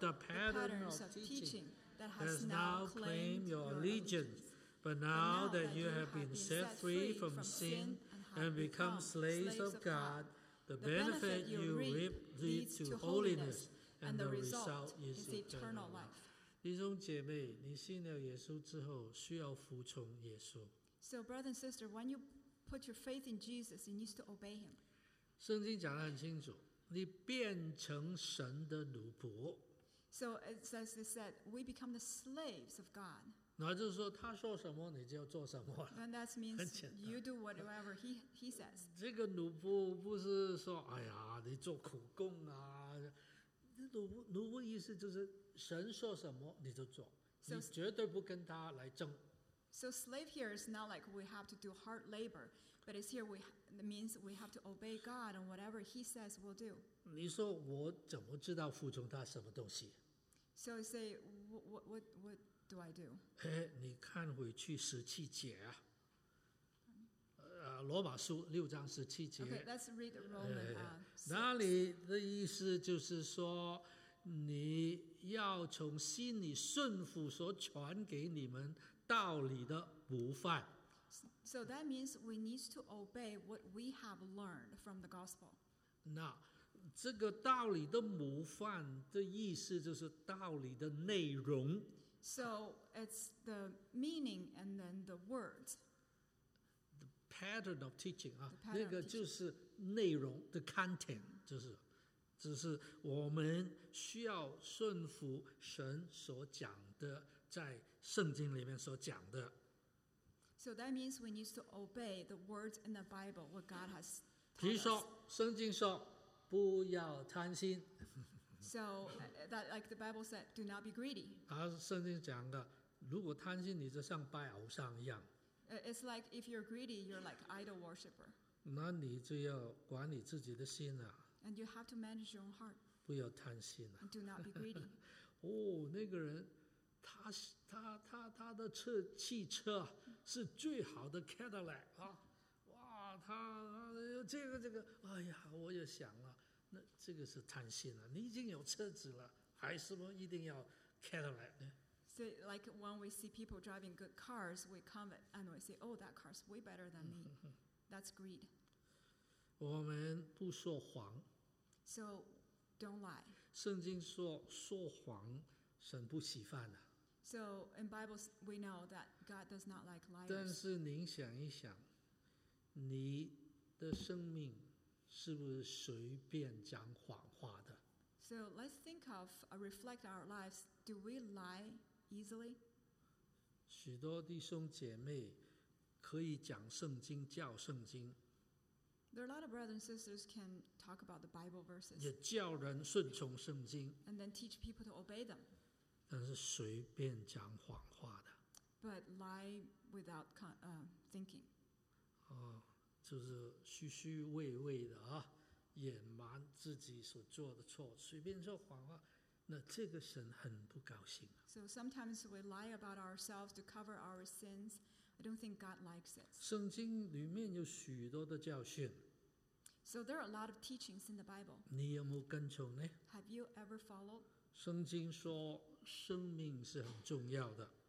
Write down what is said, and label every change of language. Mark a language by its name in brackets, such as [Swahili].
[English] the pattern of teaching that has now claimed your allegiance. But now that you have been set free from sin and become slaves of God, the benefit you reap leads to holiness. And the result is eternal life. [Chinese] 弟兄姐妹，你信了耶稣之后，需要服从耶稣。 [English] So, brother and sister, when you put your faith in Jesus, you need to obey him. [Chinese] 圣经讲得很清楚，你变成神的奴仆。 [English] So, as it said, we become the slaves of God. [Chinese] 那就是说，他说什么，你就要做什么。 [English] And that means you do whatever he says. [Chinese] 这个奴仆不是说，哎呀，你做苦工啊。奴仆意思就是神说什么你就做，你绝对不跟他来争。 [English] So slave here is not like we have to do hard labor. But it's here we, it means we have to obey God and whatever He says we'll do. [Chinese] 你说我怎么知道服从他什么东西？ [English] So say, what do I do? [Chinese] 你看回去十七节啊。罗马书六章十七节。 [English] Okay, let's read Roman. [Chinese] 那里的意思就是说，你要从心里顺服所传给你们道理的，不犯。 [English] So that means we need to obey what we have learned from the gospel. [Chinese] 那这个道理的模范的意思就是道理的内容。 [English] So it's the meaning and then the words. The pattern of teaching, 啊, pattern [Chinese] 那个就是内容, [English] the content, [Chinese] 就是。只是我们需要顺服神所讲的，在圣经里面所讲的。 [English] So that means we need to obey the words in the Bible, what God has taught us. [Chinese] 比如说，圣经说，不要贪心。 [English] So, that, like the Bible said, do not be greedy. [Chinese] 圣经讲的，如果贪心，你就像拜偶像一样。 [English] It's like if you're greedy, you're like idol worshipper. [Chinese] 那你就要管理自己的心啊。 [English] And you have to manage your own heart. [Chinese] 不要贪心啊。 [English] And do not be greedy. [Chinese] 哦，那个人。他的车汽车是最好的 Cadillac 啊，哇，他这个，哎呀，我就想了，那这个是贪心了。你已经有车子了，还是不一定要 Cadillac 呢？ [English] So like when we see people driving good cars, we covet and we say, "Oh, that car's way better than me." That's greed. [Chinese] 我们不说谎。 [English] So don't lie. [Chinese] 圣经说说谎神不喜欢的。 [English] So in Bible we know that God does not like liars. [Chinese] 但是您想一想，你的生命是不是随便讲谎话的？ [English] So let's think of reflect our lives. Do we lie easily? [Chinese] 许多弟兄姐妹可以讲圣经教圣经。 [English] There are a lot of brothers and sisters can talk about the Bible verses. [Chinese] 也教人顺从圣经。 [English] And then teach people to obey them. [Chinese] 但是随便讲谎话的 [English] but lie without thinking、 [Chinese] 哦、就是虚虚伪伪的、啊、隐瞒自己所做的错随便说谎话那这个神很不高兴、啊、 [English] so sometimes we lie about ourselves to cover our sins I don't think God likes it [Chinese] 圣经里面有许多的教训 [English] so there are a lot of teachings in the Bible [Chinese] 你有没有跟从呢 [English] have you ever followed [Chinese] 圣经说生命是很重要的。